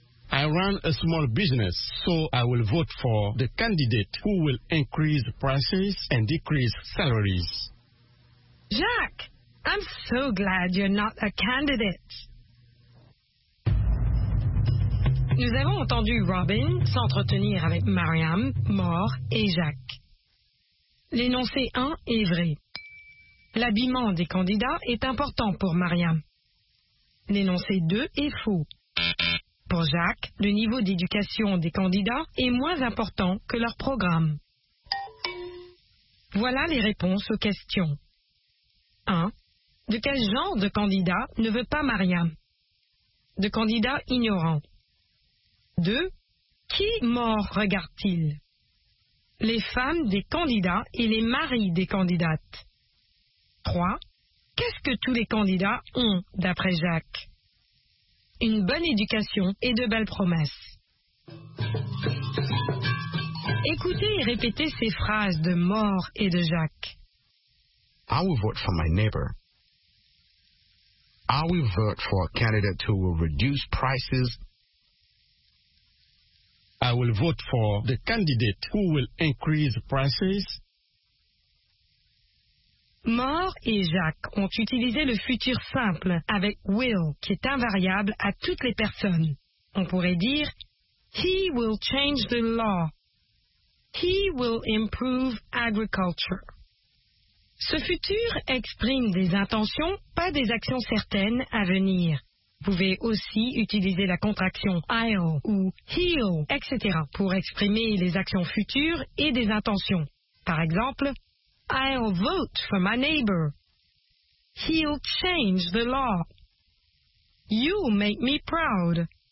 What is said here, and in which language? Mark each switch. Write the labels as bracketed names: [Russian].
[English] I run a small business, so I will vote for the candidate who will increase prices and decrease salaries. Jacques, I'm so glad you're not a candidate. [French] Nous avons entendu Robin s'entretenir avec Mariam, Maure et Jacques. L'énoncé 1 est vrai. L'habillement des candidats est important pour Mariam. L'énoncé 2 est faux. Pour Jacques, le niveau d'éducation des candidats est moins important que leur programme. Voilà les réponses aux questions. 1. De quel genre de candidat ne veut pas Mariam? De candidat ignorant. 2. Qui mort regarde-t-il? Les femmes des candidats et les maris des candidates. 3. Qu'est-ce que tous les candidats ont, d'après Jacques? Une bonne éducation et de belles promesses. Écoutez et répétez ces phrases de Maure et de Jacques. [English] I will vote for my neighbor. I will vote for a candidate who will reduce prices. I will vote for the candidate who will increase prices. [French] Maure et Jacques ont utilisé le futur simple avec will, qui est invariable à toutes les personnes. On pourrait dire, [English] he will change the law. He will improve agriculture. [French] Ce futur exprime des intentions, pas des actions certaines à venir. Vous pouvez aussi utiliser la contraction I'll ou he'll, etc. pour exprimer les actions futures et des intentions. Par exemple, [English] I'll vote for my neighbor. He'll change the law. You'll make me proud.